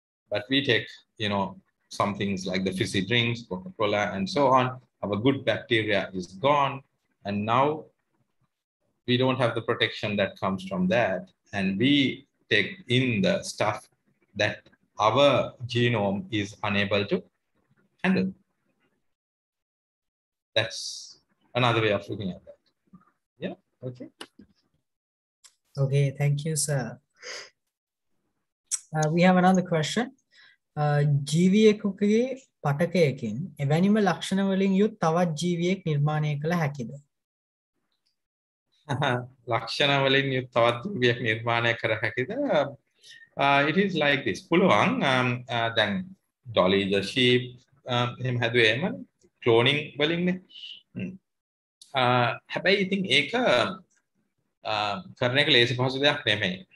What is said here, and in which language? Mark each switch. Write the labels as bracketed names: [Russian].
[English] But we take, you know, some things like the fizzy drinks, Coca-Cola, and so on, our good bacteria is gone, and now we don't have the protection that comes from that, and we take in the stuff that our genome is unable to handle. That's another way of looking at that. Yeah, okay. Okay, thank you, sir. We have another question. [Sinhala] ජීවියෙකුගේ පටකයකින් එවැනිම ලක්ෂණ වලින් යුත් තවත් ජීවියෙක් නිර්මාණය කළ හැකිද? ලක්ෂණ වලින් යුත් තවත් ජීවියෙක් නිර්මාණය කර හැකිද? [English] It is like this. [Sinhala] පුළුවන්. [English] Then Dolly the sheep, [Sinhala] එහෙම හැදුවේ එම cloning වලින්නේ. හැබැයි ඉතින් ඒක කරන එක ලේසි පහසු දෙයක් නෙමෙයි.